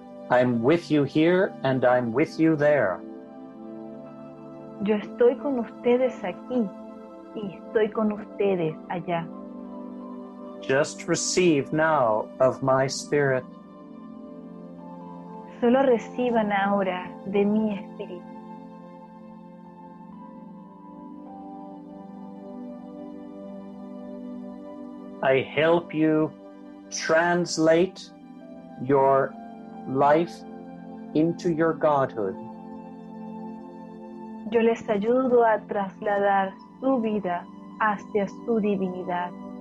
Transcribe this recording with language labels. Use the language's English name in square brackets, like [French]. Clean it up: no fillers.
[English] I'm with you here and I'm with you there. [Spanish] Yo estoy con ustedes aquí y estoy con ustedes allá. [English] Just receive now of my spirit. [Spanish] Solo reciban ahora de mi espíritu. [English] I help you translate your life into your godhood. [Spanish] Yo les ayudo a trasladar su vida hacia su divinidad.